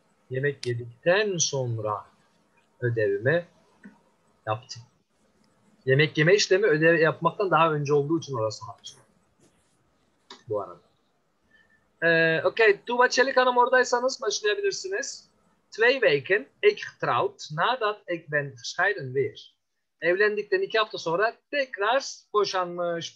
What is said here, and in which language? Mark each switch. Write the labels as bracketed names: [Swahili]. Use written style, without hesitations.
[Turkish] Yemek yedikten sonra ödevimi yaptım. Yemek yeme işlemi ödev yapmaktan daha önce olduğu için orası hatırlıyorum. Bu arada. Okay, Tuğba Çelik Hanım oradaysanız başlayabilirsiniz. [Dutch] Twee weken ik getrouwd nadat ik ben gescheiden weer. [Turkish] Evlendikten iki hafta sonra tekrar boşanmış.